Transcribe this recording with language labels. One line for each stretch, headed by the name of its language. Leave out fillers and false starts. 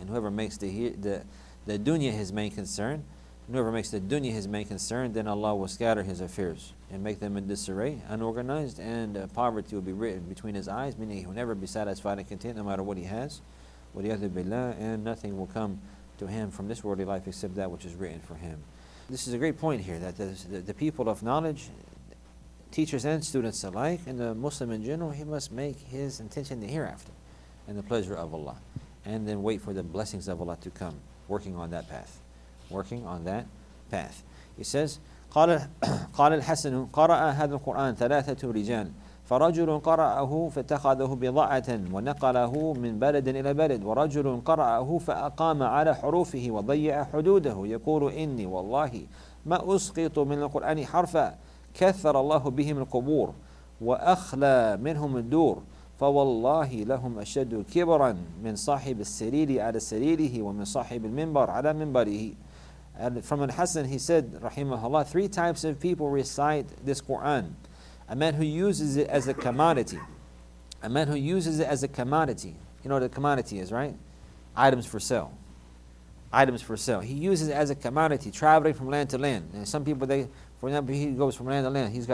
English: And whoever makes the dunya his main concern, whoever makes the dunya his main concern, then Allah will scatter his affairs and make them in disarray, unorganized, and poverty will be written between his eyes, meaning he will never be satisfied and content no matter what he has,
Arabic: وَلِيَذُ بِاللَّهِ,
English: and nothing will come to him from this worldly life except that which is written for him. This is a great point here, that the people of knowledge, teachers and students alike, and the Muslim in general, he must make his intention the hereafter and the pleasure of Allah, and then wait for the blessings of Allah to come, working on that path. Working on that path. He says,
Arabic: قال الحسن قرأ هذا القرآن ثلاثة رجال فرجل قرأه فاتخذه بضاعة ونقله من بلد إلى بلد ورجل قرأه فأقام على حروفه وضيع حدوده يقول إني والله ما أسقط من القرآن حرفا كثر الله بهم القبور وأخلى منهم الدور فوالله لهم أشد كبرا من صاحب السرير على سريره ومن صاحب المنبر على منبره.
English: And from Al-Hassan, he said, rahimahullah, three types of people recite this Qur'an. A man who uses it as a commodity. A man who uses it as a commodity. You know what a commodity is, right? Items for sale. Items for sale. He uses it as a commodity, traveling from land to land. And some people, for example, he goes from land to land.